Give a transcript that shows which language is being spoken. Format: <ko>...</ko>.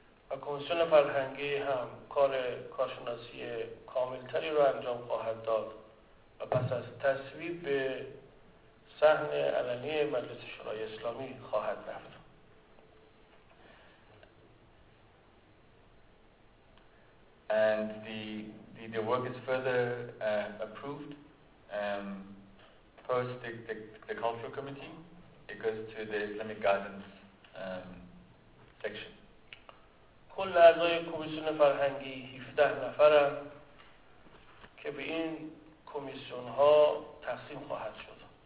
<fa>و کمیسیون فرهنگی هم کار کارشناسی کاملتری را انجام خواهد داد و پس از تصویب به صحن علنی مجلس شورای اسلامی خواهد رفت.</fa> <en>And the work is further approved post the cultural committee. It goes to the Islamic guidance section.</en> <fa>کل اعضای کمیسیون فرهنگی 17 نفرند که به این کمیسیون ها تقسیم خواهد شد.</fa>